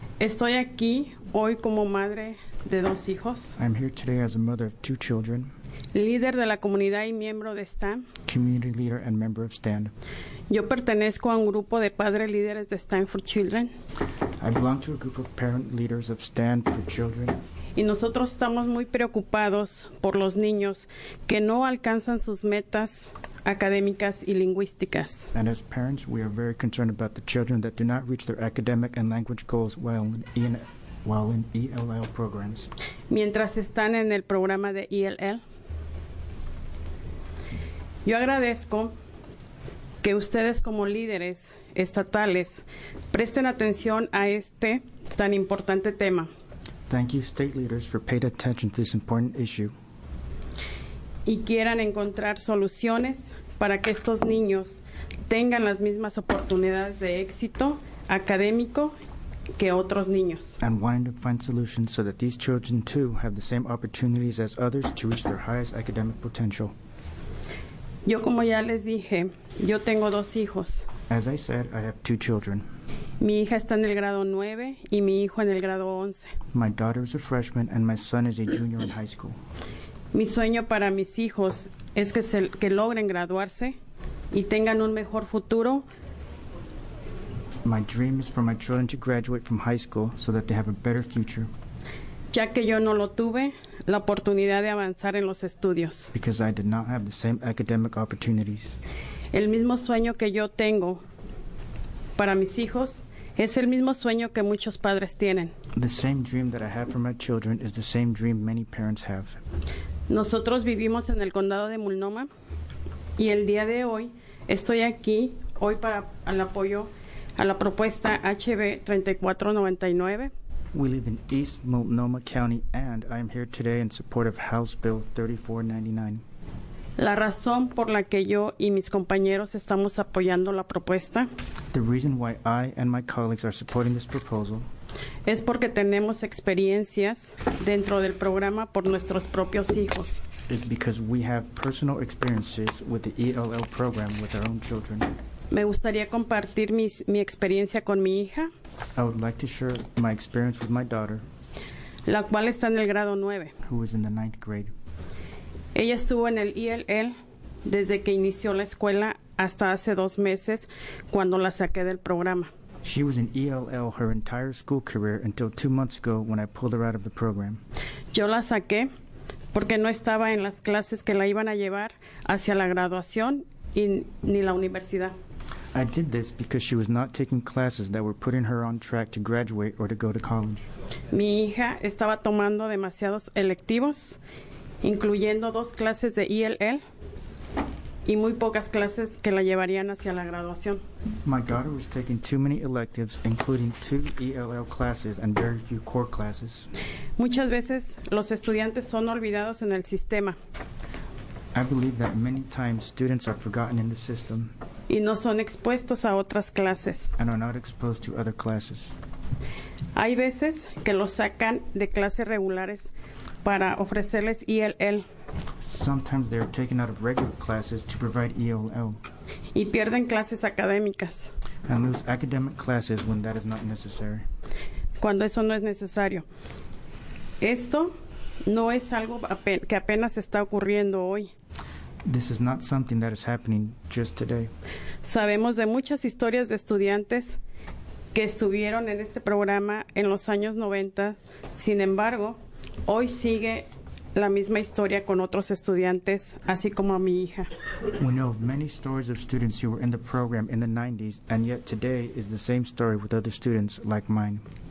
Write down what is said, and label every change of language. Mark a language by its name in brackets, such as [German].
[Spanish] Estoy aquí hoy como madre de dos hijos. [English] I'm here today as a mother of two children. [Spanish] Líder de la comunidad y miembro de STAND. [English] Community leader and member of STAND. [Spanish] Yo pertenezco a un grupo de padres líderes de STAND for Children. [English] I belong to a group of parent leaders of STAND for Children. [Spanish] Y nosotros estamos muy preocupados por los niños que no alcanzan sus metas académicas y lingüísticas. [English] And as parents, we are very concerned about the children that do not reach their academic and language goals while in ELL programs. [Spanish] Mientras están en el programa de ELL. Yo agradezco que ustedes como líderes estatales presten atención a este tan importante tema. [English] Thank you, state leaders, for paying attention to this important issue. [Spanish] Y quieran encontrar soluciones para que estos niños tengan las mismas oportunidades de éxito académico que otros niños. [English] And wanting to find solutions so that these children too have the same opportunities as others to reach their highest academic potential. [Spanish] Yo, como ya les dije, yo tengo dos hijos. [English] As I said, I have two children. [Spanish] Mi hija está en el grado 9 y mi hijo en el grado 11. [English] My daughter is a freshman and my son is a junior in high school. [Spanish] Mi sueño para mis hijos es que logren graduarse y tengan un mejor futuro. [English] My dream is for my children to graduate from high school so that they have a better future. [Spanish] Ya que yo no lo tuve la oportunidad de avanzar en los estudios. [English] Because I did not have the same academic opportunities. [Spanish] El mismo sueño que yo tengo para mis hijos es el mismo sueño que muchos padres tienen. [English] The same dream that I have for my children is the same dream many parents have. [Spanish] Nosotros vivimos en el condado de Multnomah y el día de hoy estoy aquí hoy para el apoyo a la propuesta HB 3499. [English] We live in East Multnomah County and I am here today in support of House Bill 3499. [Spanish] La razón por la que yo y mis compañeros estamos apoyando la propuesta, [English] the reason why I and my colleagues are supporting this proposal, [Spanish] es porque tenemos experiencias dentro del programa por nuestros propios hijos. [English] It's because we have personal experiences with the ELL program with our own children. [Spanish] Me gustaría compartir mi experiencia con mi hija. [English] I would like to share my experience with my daughter. [Spanish] La cual está en el grado 9. [English] Who is in the ninth grade. [Spanish] Ella estuvo en el ELL desde que inició la escuela hasta hace 2 meses cuando la saqué del programa. [English] She was in ELL her entire school career until 2 months ago when I pulled her out of the program. [Spanish] Yo la saqué porque no estaba en las clases que la iban a llevar hacia la graduación y ni la universidad. [English] I did this because she was not taking classes that were putting her on track to graduate or to go to college. [Spanish] Mi hija estaba tomando demasiados electivos, incluyendo 2 clases de ELL. Y muy pocas clases que la llevarían hacia la graduación. [English] My daughter was taking too many electives, including 2 ELL classes and very few core classes. [Spanish] Muchas veces los estudiantes son olvidados en el sistema. [English] I believe that many times students are forgotten in the system. [Spanish] Y no son expuestos a otras clases. [English] And are not exposed to other classes. [Spanish] Hay veces que los sacan de clases regulares para ofrecerles ELL. [English] Sometimes they are taken out of regular classes to provide ELL. [Spanish] Y pierden clases académicas. [English] And lose academic classes when that is not necessary. [Spanish] Cuando eso no es necesario. Esto no es algo que apenas está ocurriendo hoy. [English] This is not something that is happening just today. [Spanish] Sabemos de muchas historias de estudiantes que estuvieron en este programa en los años 90. Sin embargo, hoy sigue la misma historia con otros estudiantes, así como a mi hija. [English] We know of many stories of students who were in the program in the 90s, and yet today is the same story with other students like mine.